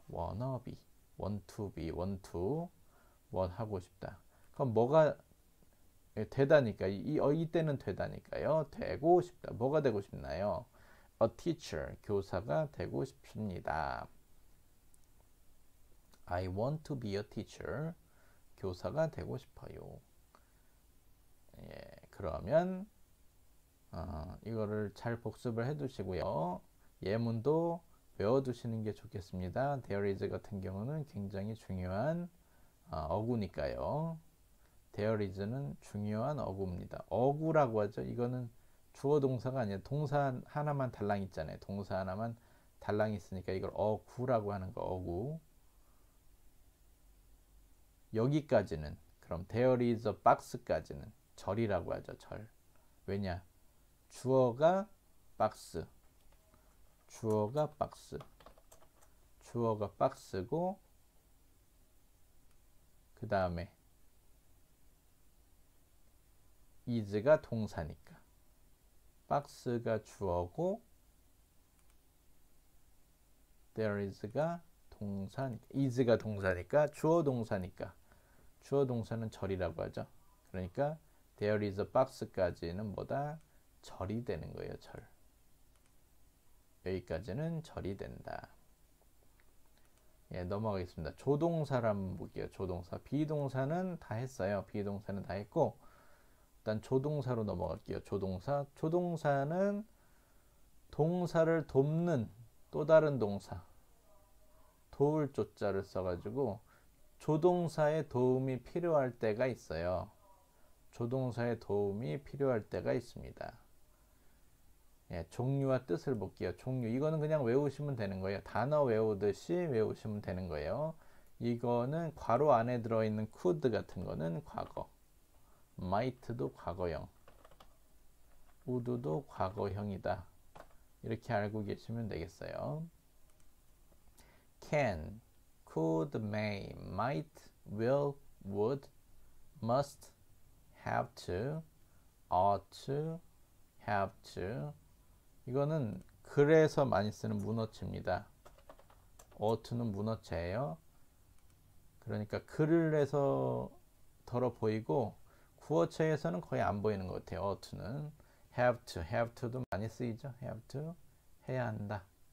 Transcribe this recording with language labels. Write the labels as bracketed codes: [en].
[ko] 워너비. 원투비. 원투. 원 하고 싶다. 그럼 뭐가 되다니까 이때는 되다니까요. 되고 싶다. 뭐가 되고 싶나요? [en] A teacher, [ko] 교사가 되고 싶습니다. [en] I want to be a teacher, [ko] 교사가 되고 싶어요. 예, 그러면 이거를 잘 복습을 해두시고요. 예문도 외워두시는 게 좋겠습니다. [en] There is [ko] 같은 경우는 굉장히 중요한 어구니까요. [en] There is [ko] 는 중요한 어구입니다. 어구라고 하죠. 이거는 주어 동사가 아니라 동사 하나만 달랑 있잖아요. 동사 하나만 달랑 있으니까 이걸 어구라고 하는 거 어구. 여기까지는 그럼 [en] there is a box까지는 [ko] 절이라고 하죠, 절. 왜냐? 주어가 박스. 주어가 박스. 주어가 박스고, 그 다음에 is가 동사니까 박스가 주어고 [en] there is [ko] 가 동사니까 is가 동사니까 주어 동사니까 주어 동사는 절이라고 하죠. 그러니까 [en] there is a box까지는 뭐다? [ko] 절이 되는 거예요. 절. 여기까지는 절이 된다. 예, 넘어가겠습니다. 조동사를 한번 볼게요. 조동사. 비동사는 다 했어요. 비동사는 다 했고, 일단 조동사로 넘어갈게요. 조동사. 조동사는 동사를 돕는 또 다른 동사. 도울 조자를 써가지고, 조동사의 도움이 필요할 때가 있어요. 조동사의 도움이 필요할 때가 있습니다. 예, 종류와 뜻을 볼게요. 종류. 이거는 그냥 외우시면 되는 거예요. 단어 외우듯이 외우시면 되는 거예요. 이거는 괄호 안에 들어있는 could 같은 거는 과거. might도 과거형. would도 과거형이다. 이렇게 알고 계시면 되겠어요. [en] can, could, may, might, will, would, must, have to, ought to, have to. [ko] 이거는 글에서 많이 쓰는 문어체입니다. ought는 문어체예요. 그러니까 글에서 덜어 보이고 구어체에서는 거의 안 보이는 것 같아요. ought는. [en] have to [ko] 도 많이 쓰이죠. have to 해야 한다.